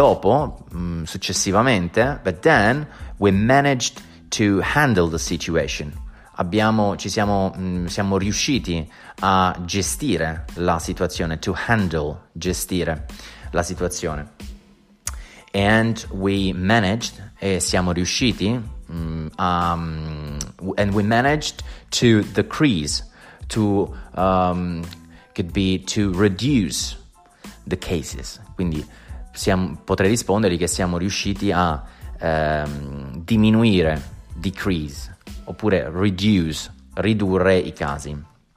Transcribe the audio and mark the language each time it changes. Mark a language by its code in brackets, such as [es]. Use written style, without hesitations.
[en] But then we managed to handle the situation. [it] Siamo riusciti a gestire la situazione, [en] to handle, [it] gestire la situazione. [en] And we managed, [it] e siamo riusciti, [en] and we managed to decrease, to reduce the cases. [it] Quindi potrei rispondergli che siamo riusciti a diminuire, decrease, oppure reduce, ridurre i casi.